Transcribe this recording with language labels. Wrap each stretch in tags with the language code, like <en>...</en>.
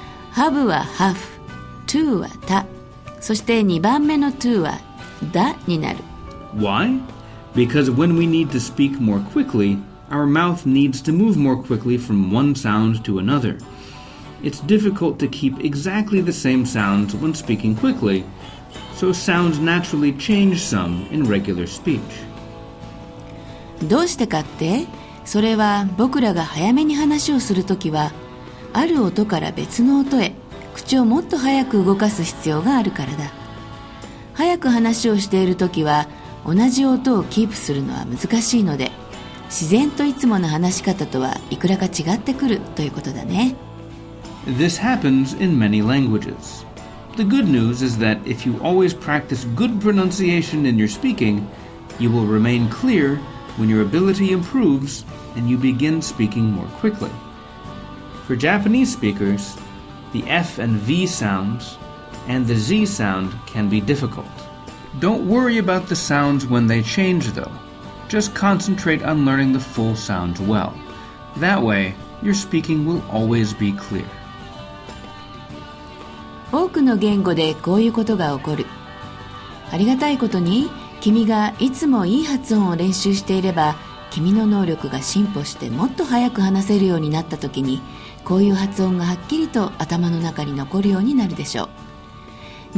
<ja>ハブはハフ、トゥはタ、そして2番目のトゥはダになる。</ja> <en>Why? Because when we need to speak more quickly, our mouth needs to move more quickly from one sound to another. It's difficult to keep exactly the same sounds when speaking quickly, so sounds naturally change some in regular speech.</en> <ja>どうしてかって、それは僕らが早めに話をするときは、ある音から別の音へ口をもっと早く動かす必要があるからだ。早く話をしているときは同じ音をキープするのは難しいので、自然といつもの話し方とはいくらか違ってくるということだね。</ja> <en>This happens in many languages. The good news is that if you always practice good pronunciation in your speaking, you will remain clear when your ability improves and you begin speaking more quickly. For Japanese speakers, the F and V sounds and the Z sound can be difficult. Don't worry about the sounds when they change, though. Just concentrate on learning the full sounds well. That way, your speaking will always be clear.</en> <ja>多くの言語でこういうことが起こる。ありがたいことに、君がいつもいい発音を練習していれば、君の能力が進歩してもっと早く話せるようになったときに、こういう発音がはっきりと頭の中に残るようになるでしょう。</ja>